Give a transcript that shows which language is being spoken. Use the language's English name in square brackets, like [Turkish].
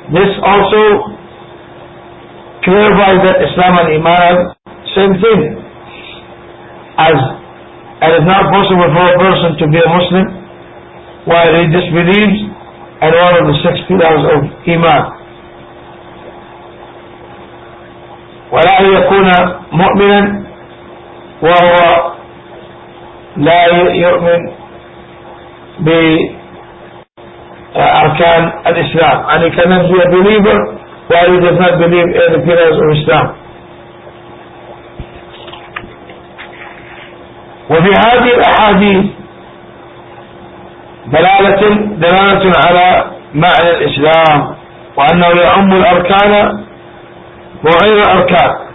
[English] This also clarify that Islam and Iman are same thing, as it is not possible for a person to be a Muslim while he disbelieves in one of the six pillars of Iman. [Arabic] ولا يكون مؤمنا وهو لا يؤمن بأركان الإسلام. [English] And he cannot be a believer while he does not believe in the pillars of Islam. [Arabic] وفي هذه الأحاديث دلالة على معنى الإسلام وأنه يعم الأركان وغير الأركان.